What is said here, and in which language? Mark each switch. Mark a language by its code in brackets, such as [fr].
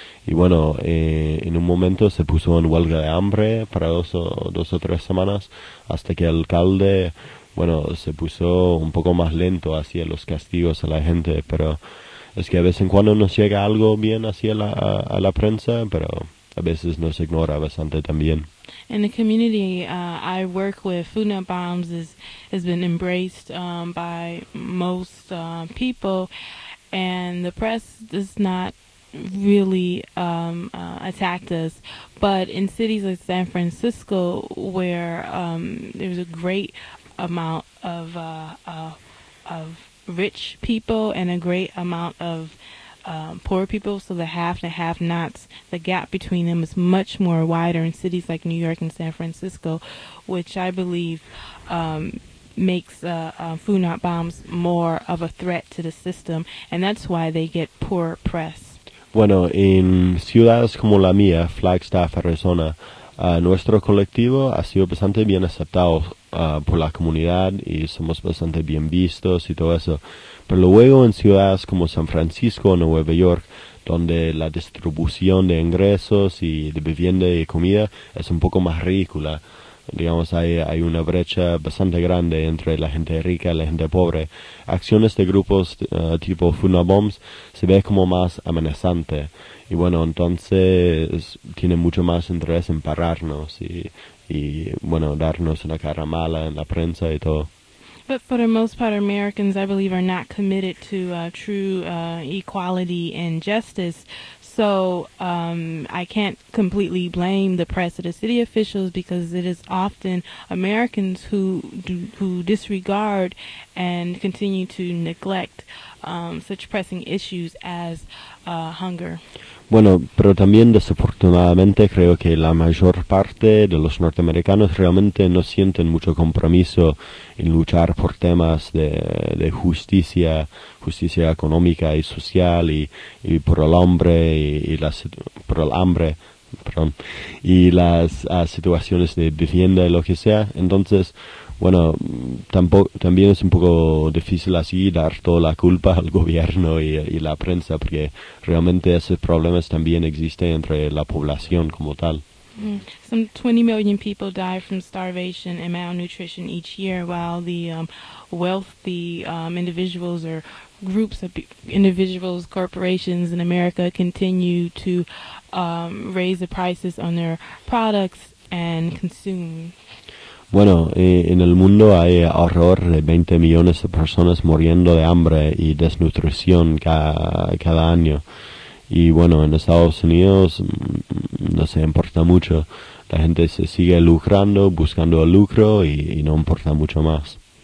[es] Y bueno, en un momento se puso en huelga de hambre para dos o tres semanas hasta que el alcalde, bueno, se puso un poco más lento hacia los castigos a la gente. Pero es que a veces en cuando nos llega algo bien hacia la prensa, pero a veces nos ignora bastante también. [en] In the community I work with, Food Not Bombs has been embraced by most people, and the press does not really attacked us. But in cities like San Francisco, where there's a great amount of rich people and a great amount of poor people, so the half and half nots, the gap between them is much more wider in cities like New York and San Francisco, which I believe makes Food Not Bombs more of a threat to the system, and that's why they get poor press. [es] Bueno, en ciudades como la mía, Flagstaff, Arizona, nuestro colectivo ha sido bastante bien aceptado por la comunidad y somos bastante bien vistos y todo eso. Pero luego en ciudades como San Francisco o Nueva York, donde la distribución de ingresos y de vivienda y comida es un poco más ridícula. Digamos, hay una brecha bastante grande entre la gente rica y la gente pobre. Acciones de grupos tipo Food Not Bombs se ve como más amenazante. Y bueno, entonces tiene mucho más interés en pararnos y bueno, darnos una cara mala en la prensa y todo. [en] But for the most part, Americans, I believe, are not committed to true equality and justice. So I can't completely blame the press or the city officials, because it is often Americans who disregard and continue to neglect such pressing issues as hunger. [es] Bueno, pero también desafortunadamente creo que la mayor parte de los norteamericanos realmente no sienten mucho compromiso en luchar por temas de justicia, justicia económica y social y por el hombre por el hambre, perdón, y las situaciones de vivienda y lo que sea. Entonces, bueno, también es un poco difícil así dar toda la culpa al gobierno y la prensa, porque realmente esos problemas también existen entre la población como tal. [en] Some 20 million people die from starvation and malnutrition each year, while the wealthy individuals or groups of individuals, corporations in America continue to raise the prices on their products and consume. [es] Bueno, en el mundo hay alrededor de 20 millones de personas muriendo de hambre y desnutrición cada año. Y bueno, en Estados Unidos no se importa mucho. La gente se sigue lucrando, buscando el lucro y no importa mucho más.